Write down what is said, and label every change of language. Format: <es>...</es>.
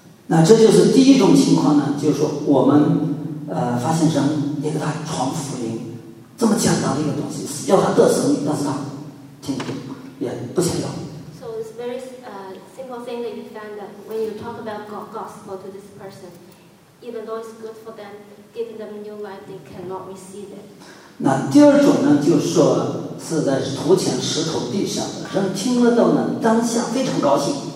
<zh>那这就是第一种情况呢，就是说我们发现人也给他传福音，这么简单的一个东西，要他得生命，但是他听不懂，也不想要。</zh> <en>So it's very simple thing that you find that when you talk about gospel to this person, even though it's good for them, giving them new life, they cannot receive it.</en> <zh>那第二种呢，就是说是在土前石头地上的人听了到呢，当下非常高兴。</zh>